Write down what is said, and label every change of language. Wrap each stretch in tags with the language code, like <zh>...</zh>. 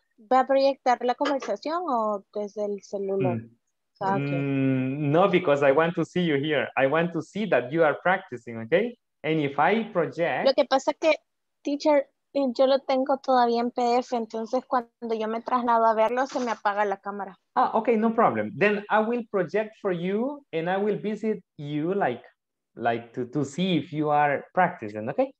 <es>¿Va a proyectar la conversación o desde el celular?</es> <en>No, because I want to see you here. I want to see that you are practicing, okay? And if I project...</en> <es>Lo que pasa es que, teacher, yo lo tengo todavía en PDF, entonces cuando yo me traslado a verlo, se me apaga la cámara.</es> <en>Ah, okay, no problem. Then I will project for you and I will visit you like to see if you are practicing, okay?</en>